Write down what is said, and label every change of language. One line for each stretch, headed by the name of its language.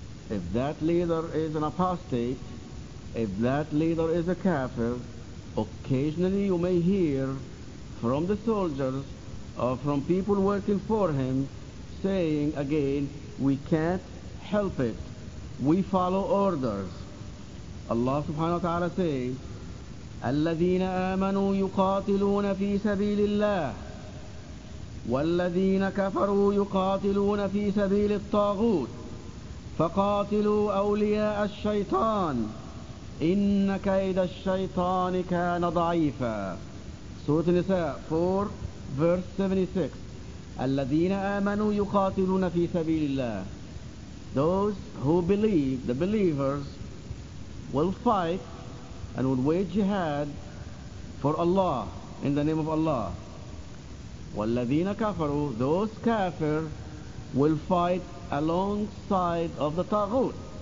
English: If that leader is an apostate, if that leader is a kafir, occasionally you may hear from the soldiers or from people working for him saying again, we can't help it, we follow orders. Allah subhanahu wa ta'ala says,
Arabic: الذين آمنوا يقاتلون في سبيل الله والذين كفروا يقاتلون في سبيل الطاغوت فقاتلوا أولياء الشيطان إن كيد الشيطان كان ضعيفا. سورة النساء 4 verse 76. الذين آمنوا يقاتلون في سبيل الله.
English: Those who believe, the believers, will fight and would wage jihad for Allah, in the name of Allah.
Arabic: وَالَّذِينَ كَفَرُوا,
English: those kafir will fight alongside of the taghut.